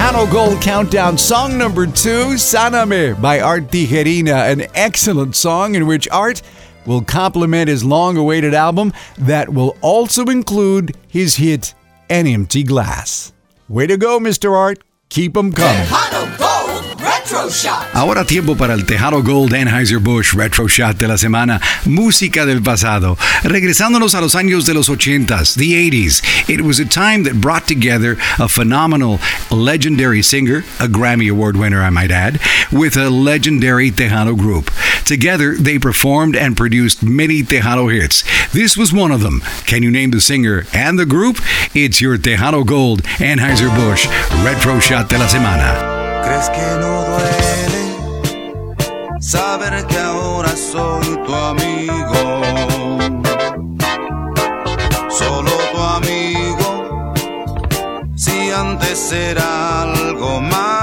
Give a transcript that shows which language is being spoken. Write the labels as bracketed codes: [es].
[en] Gold Countdown, song number 2, Sáname by Art Tijerina, an excellent song in which Art will complement his long-awaited album that will also include his hit, An Empty Glass. Way to go, Mr. Art. Keep them coming. [es] Ahora tiempo para el Tejano Gold Anheuser-Busch Retro Shot de la semana. Música del pasado. Regresándonos a los años de los 80s, [en] the 80s. It was a time that brought together a phenomenal, legendary singer, a Grammy Award winner, I might add, with a legendary Tejano group. Together, they performed and produced many Tejano hits. This was one of them. Can you name the singer and the group? It's your Tejano Gold Anheuser-Busch Retro Shot [es] de la semana. ¿Crees que no duele saber que ahora soy tu amigo? Solo tu amigo, si antes era algo más.